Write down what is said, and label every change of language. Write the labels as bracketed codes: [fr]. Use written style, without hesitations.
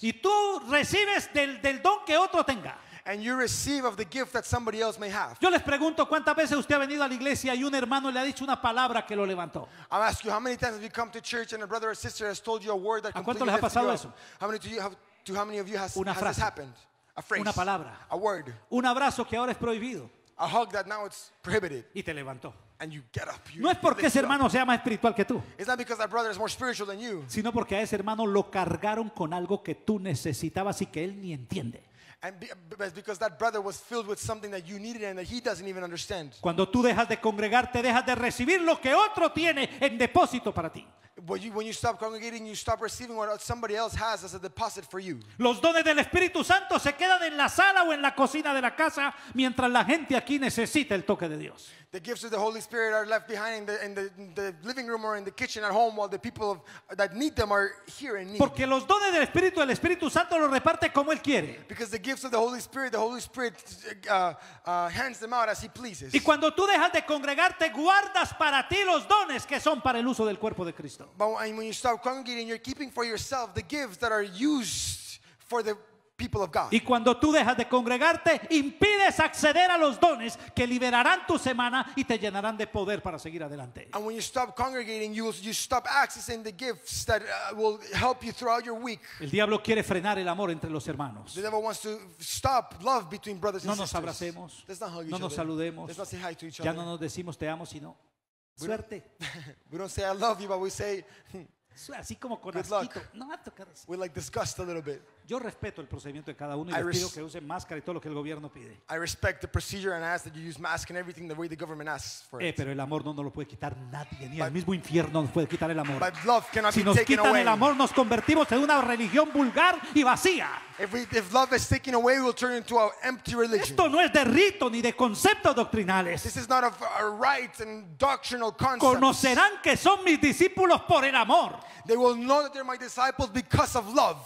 [es] Y tú recibes del don que otro tenga. [en] and you receive of the gift that somebody else may have. [es] Yo les pregunto cuántas veces usted ha venido a la iglesia y un hermano le ha dicho una palabra que lo levantó. [en] I'll ask you, how many times have you come to church and a brother or sister has told you a word that completely lifted you up? [es] ¿A cuánto les ha pasado eso? [en] How many of you has this happened? A phrase. [es] Una palabra. [en] A word. [es] Un abrazo que ahora es prohibido. [en] A hug that now it's prohibited. [es] Y te levantó. [en] And you get up. [es] No es porque ese hermano sea más espiritual que tú. [en] It's not because that brother is more spiritual than you. [es] Sino porque a ese hermano lo cargaron con algo que tú necesitabas y que él ni entiende. [en] And because that brother was filled with something that you needed and that he doesn't even understand. [es] Cuando tú dejas de congregarte, dejas de recibir lo que otro tiene en depósito para ti. [en] When you stop congregating, you stop receiving what somebody else has as a deposit for you. [es] Los dones del Espíritu Santo se quedan en la sala o en la cocina de la casa mientras la gente aquí necesita el toque de Dios. [en] The gifts of the Holy Spirit are left behind in the living room or in the kitchen at home while the people that need them are here in need. [es] Porque los dones del Espíritu, el Espíritu Santo los reparte como él quiere. [en] Because the gifts of the Holy Spirit hands them out as he pleases. [es] Y cuando tú dejas de congregarte, guardas para ti los dones que son para el uso del cuerpo de Cristo. [en] But when you stop congregating, you're keeping for yourself the gifts that are used for the people of God. [es] Y cuando tú dejas de congregarte, impides acceder a los dones que liberarán tu semana y te llenarán de poder para seguir adelante. [en] And when you stop congregating, you stop accessing the gifts that will help you throughout your week. [es] El diablo quiere frenar el amor entre los hermanos. [en] The devil wants to stop love between brothers and sisters. [es] No nos abracemos. [en] Let's not hug each other. [es] Saludemos. [en] Let's not say hi to each other. [es] Ya no nos decimos te amo, sino suerte. [en] We don't say I love you, but we say [es] así como con asquito. No me ha tocado así. [en] We like disgust a little bit. [es] Yo respeto el procedimiento de cada uno y les pido que usen máscara y todo lo que el gobierno pide. [en] I respect the procedure and ask that you use mask and everything the way the government asks for it. [es] Pero el amor no lo puede quitar nadie, ni el mismo infierno nos puede quitar el amor. [en] But love cannot [es] si [en] be taken [es] quitan [en] away. [es] El amor, nos convertimos en una religión vulgar y vacía. [en] If love is taken away, we will turn into an empty religion. [es] Esto no es de rito ni de conceptos doctrinales. [en] This is not of a right and doctrinal concept. [es] Conocerán que son mis discípulos por el amor. [en] They will know that they're my disciples because of love.